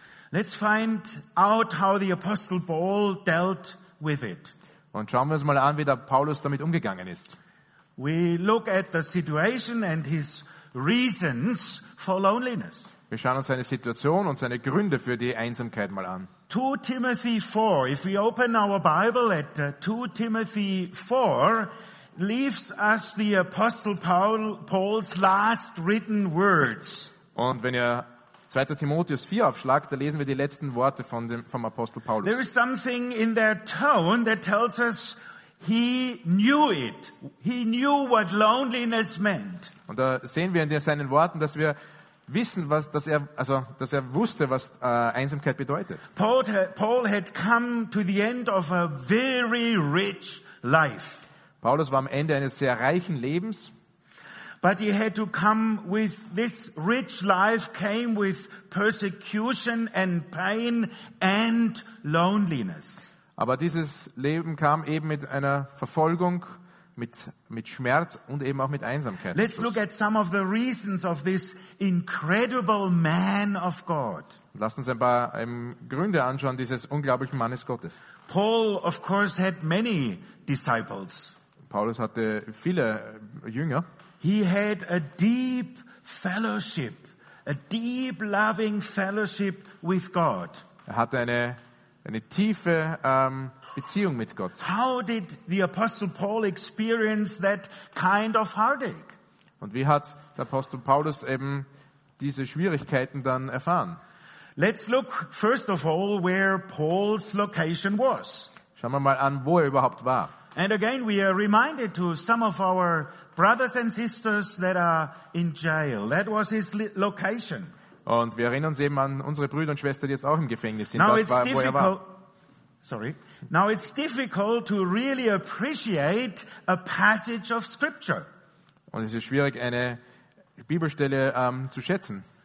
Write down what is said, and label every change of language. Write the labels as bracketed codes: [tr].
[en] Let's find out how the Apostle Paul dealt with it. [de] Und schauen wir uns mal an, wie der Paulus damit umgegangen ist. [en] We look at the situation and his reasons for loneliness. [de] Wir schauen uns seine Situation und seine Gründe für die Einsamkeit mal an. [en] 2 Timothy 4, if we open our Bible at 2 Timothy 4, leaves us the Apostle Paul's last written words. [de] Und wenn ihr 2. Timotheus 4 aufschlagt, da lesen wir die letzten Worte vom Apostel Paulus. [en] There is something in their tone that tells us he knew it. He knew what loneliness meant. [de] Und da sehen wir in seinen Worten, dass wir wissen, dass er wusste, was Einsamkeit bedeutet. [en] Paul had come to the end of a very rich life. [de] Paulus war am Ende eines sehr reichen Lebens. [en] But he had to come with this rich life came with persecution and pain and loneliness. [de] Aber dieses Leben kam eben mit einer Verfolgung, mit Schmerz und eben auch mit Einsamkeit. [en] Let's look at some of the reasons of this incredible man of God. [de] Lasst uns ein paar Gründe anschauen dieses unglaublichen Mannes Gottes. [en] Paul, of course, had many disciples. [de] Paulus hatte viele Jünger. [en] He had a deep fellowship, a deep loving fellowship with God. [de] Er hatte eine tiefe Beziehung mit Gott. [en] How did the Apostle Paul experience that kind of heartache? [de] Und wie hat der Apostel Paulus eben diese Schwierigkeiten dann erfahren? [en] Let's look first of all where Paul's location was. [de] Schauen wir mal an, wo er überhaupt war. [en] And again, we are reminded to some of our brothers and sisters that are in jail. That was his location. [de] Und wir erinnern uns eben an unsere Brüder und Schwestern, die jetzt auch im Gefängnis sind. Now das war, wo er war. [en] Sorry. Now it's difficult to really appreciate a passage of scripture. [de] Und es ist schwierig, eine Bibelstelle zu schätzen.